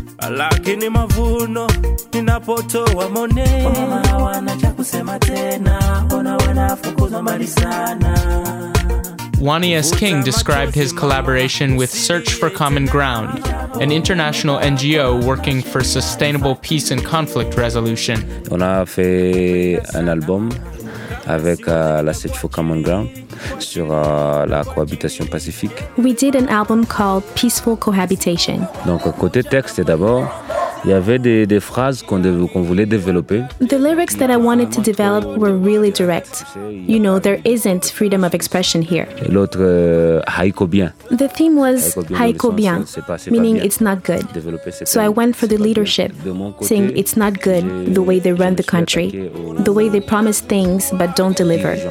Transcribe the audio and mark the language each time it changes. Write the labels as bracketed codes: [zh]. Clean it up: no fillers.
[sw] Lakini mavuno ninapotoa mone mama wana cha kusema tena ona wanafukuzwa mali sana. [en] Wani S. King described his collaboration with Search for Common Ground, an international NGO working for sustainable peace and conflict resolution. [fr] On a fait un album avec la Search for Common Ground sur la cohabitation pacifique. [en] We did an album called Peaceful Cohabitation. [fr] Donc côté texte d'abord, il y avait des phrases qu'on voulait développer. [en] The lyrics that I wanted to develop were really direct. You know, there isn't freedom of expression here. [fr] L'autre, haïko bien. [en] The theme was haïko bien, meaning it's not good. So I went for the leadership, saying it's not good the way they run the country, the way they promise things but don't deliver.